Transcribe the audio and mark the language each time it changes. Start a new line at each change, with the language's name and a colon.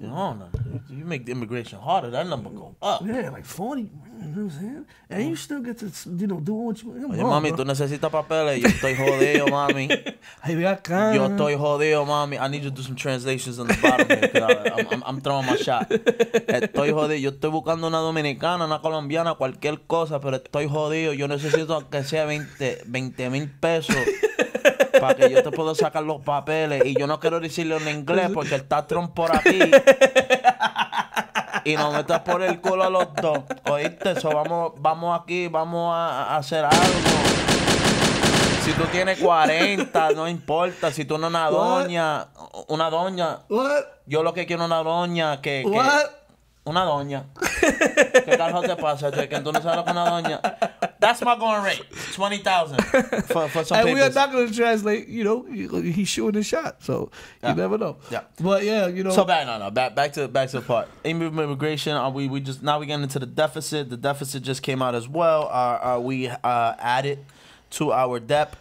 English: You make the immigration harder, that number go up. Yeah, like 40, you know what I'm saying? And you still get to, you know, do what you want.
Spanish: Hey, mami, tú necesitas papeles. Yo estoy jodido, mami. Yo estoy jodido, mami.
English: I need you to do some translations on the bottom here. I'm throwing my shot.
Spanish: Estoy jodido. Yo estoy buscando una dominicana, una colombiana, cualquier cosa, pero estoy jodido. Yo necesito que sea 20,000 pesos para que yo te pueda sacar los papeles. Y yo no quiero decirlo en inglés porque está Trump por aquí. Y nos metas por el culo a los dos. ¿Oíste? So vamos aquí, vamos a hacer algo. Si tú tienes 40, no importa. Si tú no una
English: What?
Spanish: Doña. Una doña.
English: What?
Spanish: Yo lo que quiero es una doña que...
English: What?
Spanish: Que una doña. ¿Qué carajo te pasa? Que tú no sabes lo que una doña.
English: That's my going rate. 20,000 for some and papers. We are not going to translate, you know, he's shooting a shot. So you never know. Yeah. But yeah, you know. So back to the part. Immigration, we're getting into the deficit. The deficit just came out as well. Are we added to our debt?